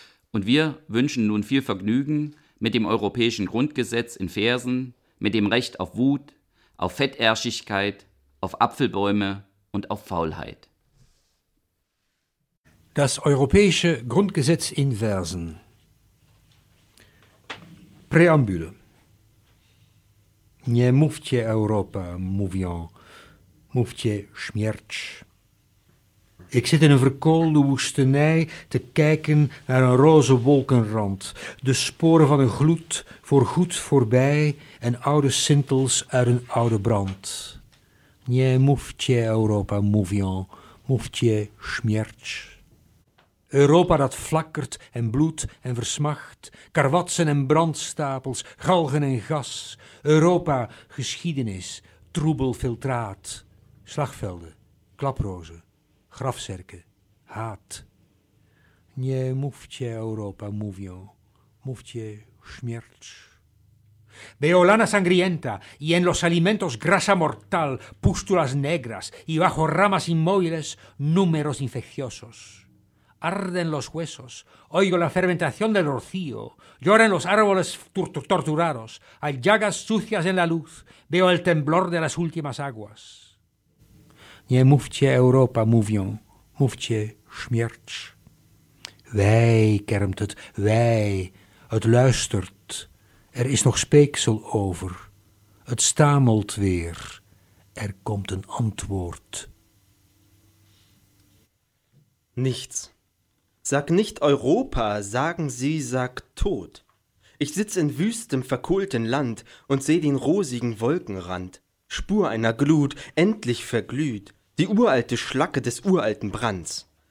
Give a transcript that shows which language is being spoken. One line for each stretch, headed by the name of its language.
German: Und wir wünschen nun viel Vergnügen mit dem europäischen Grundgesetz in Versen, mit dem Recht auf Wut, auf Fettärschigkeit, auf Apfelbäume und auf Faulheit. Das europäische Grundgesetz in Versen. Präambule.
Polish: Nie mówcie Europa, mówią, mówcie śmierć.
Dutch: Ik zit in een verkoolde woestenij te kijken naar een roze wolkenrand, de sporen van een gloed voorgoed voorbij en oude sintels uit een oude brand.
Polish: Nie mówcie Europa, mówią, mówcie śmierć.
Dutch: Europa dat flakkert en bloedt en versmacht, karwatsen en brandstapels, galgen en gas. Europa, geschiedenis, troebel filtraat, slagvelden, klaprozen, grafzerken, haat.
Polish: Nie mówcie Europa, mówią, mówcie śmierć.
Spanish: Veo lana sangrienta y en los alimentos grasa mortal, pústulas negras y bajo ramas inmóviles números infecciosos. Arden los huesos, oigo la fermentación del rocío, lloran los árboles torturados, hay llagas sucias en la luz, veo el temblor de las últimas aguas.
Polish: Nie mówcie Europa, mówią, mówcie śmierć.
Dutch: Wij, kermt het, wij, het luistert. Er is nog speeksel over, het stamelt weer, er komt een antwoord.
German: Nichts. Sag nicht Europa, sagen sie, sag Tod. Ich sitz in wüstem, verkohlten Land und seh den rosigen Wolkenrand, Spur einer Glut, endlich verglüht, die uralte Schlacke des uralten Brands.